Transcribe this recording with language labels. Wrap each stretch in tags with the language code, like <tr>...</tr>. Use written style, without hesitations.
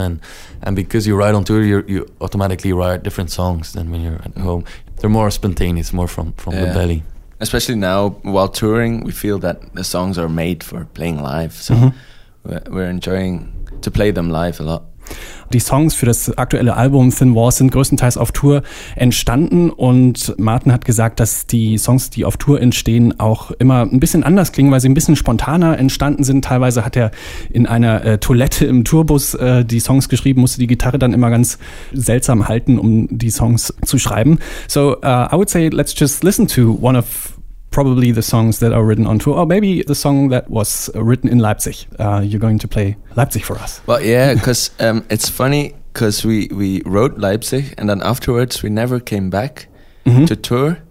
<en>And because you write on tour, you automatically write different songs than when you're at home. They're more spontaneous, more from the belly. Especially now, while touring, we feel that the songs are made for playing live. So we're enjoying to play them live a lot.</en> <de>Die Songs für das aktuelle Album Thin Walls sind größtenteils auf Tour entstanden und Martin hat gesagt, dass die Songs, die auf Tour entstehen, auch immer ein bisschen anders klingen, weil sie ein bisschen spontaner entstanden sind. Teilweise hat er in einer Toilette im Tourbus die Songs geschrieben, musste die Gitarre dann immer ganz seltsam halten, um die Songs zu schreiben.</de> <en>So I would say let's just listen to one of probably the songs that are written on tour, or maybe the song that was written in Leipzig. You're going to play Leipzig for us. Well, yeah, because it's funny because we wrote Leipzig and then afterwards we never came back to tour.</en>